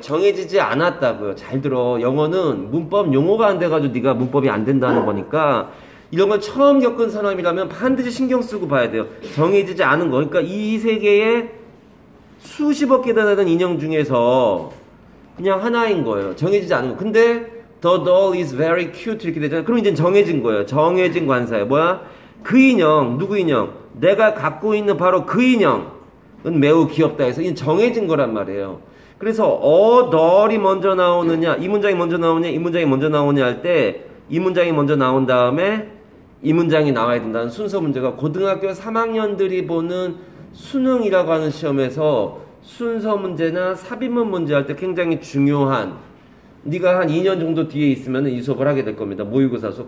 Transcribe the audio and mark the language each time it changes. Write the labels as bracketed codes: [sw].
[ko] 정해지지 않았다고요. 잘 들어. 영어는 문법 용어가 안 돼가지고 네가 문법이 안 된다는 거니까 이런 걸 처음 겪은 사람이라면 반드시 신경 쓰고 봐야 돼요. 정해지지 않은 거. 그러니까 이 세계에 수십억 개 달하는 인형 중에서 그냥 하나인 거예요. 정해지지 않은 거. 근데 [en] The doll is very cute [ko] 이렇게 되잖아요. 그럼 이제 정해진 거예요. 정해진 관사예요. 뭐야? 그 인형, 누구 인형? 내가 갖고 있는 바로 그 인형은 매우 귀엽다 해서 이제 정해진 거란 말이에요. 그래서 어 doll이 먼저 나오느냐, 이 문장이 먼저 나오냐, 이 문장이 먼저 나오냐 할 때 이 문장이 먼저 나온 다음에 이 문장이 나와야 된다는 순서 문제가 고등학교 3학년들이 보는 수능이라고 하는 시험에서 순서 문제나 삽입문 문제 할 때 굉장히 중요한 네가 한 2년 정도 뒤에 있으면 이 수업을 하게 될 겁니다. 모의고사 수업.